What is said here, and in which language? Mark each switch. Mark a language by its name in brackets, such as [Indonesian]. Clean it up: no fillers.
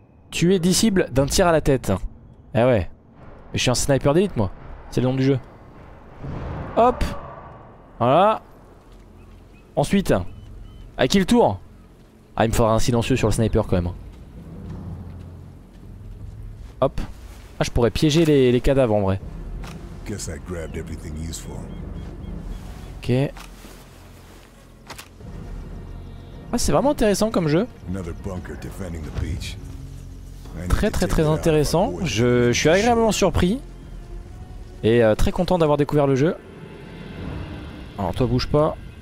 [French] Tuer 10 cibles d'un tir à la tête. Eh ouais. Mais je suis un sniper d'élite moi. C'est le nom du jeu. Hop! Voilà. Ensuite. À qui le tour? Ah, il me faudra un silencieux sur le sniper quand même. Hop. Ah, je pourrais piéger les cadavres en vrai. [English] Guess I grabbed everything useful. Ok. [French] Ah, c'est vraiment intéressant comme jeu. [English] Another bunker defending the beach. [French] Très très très intéressant. Je suis agréablement surpris. Et très content d'avoir découvert le jeu. Alors toi bouge pas.